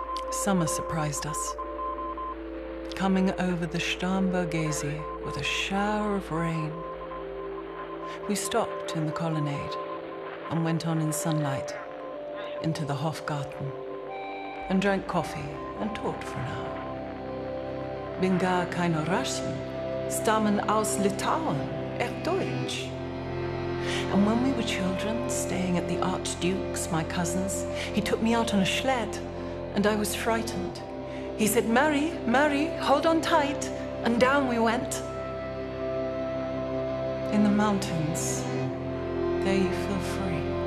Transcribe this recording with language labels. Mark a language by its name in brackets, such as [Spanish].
[English] Summer surprised us, coming over the Starnbergese with a shower of rain. We stopped in the colonnade and went on in sunlight into the Hofgarten and drank coffee and talked for an hour. [German] Bin gar keine Russin, stammen aus Litauen, Deutsch. [English] And when we were children, staying at the Archduke's, my cousin's, he took me out on a sled and I was frightened. He said, Mary, Mary, hold on tight. And down we went. In the mountains, there you feel free.